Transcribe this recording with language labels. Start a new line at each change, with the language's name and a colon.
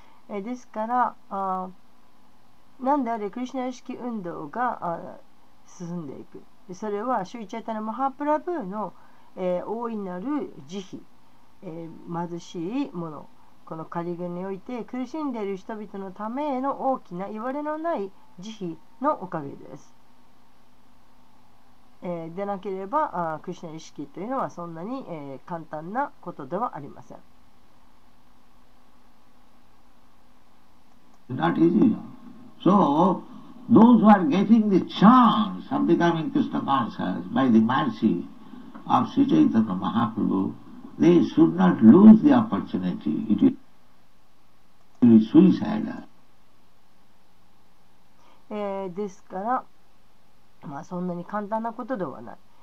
Japanese: ですから、なんであれクリシナ意識運動が進んでいく、それはシュリチャイタナマハプラブーの、大いなる慈悲、貧しいもの、このカリグにおいて苦しんでいる人々のための大きな言われのない慈悲のおかげです。でなければクリシナ意識というのはそんなに、簡単なことではありません。
English: Not easy. So, those who are getting the chance of becoming Krishna conscious by the mercy of Sri Chaitanya Mahaprabhu, they should not lose the opportunity. It will be suicidal.
Japanese: ですから、まあそんなに簡単なことではない。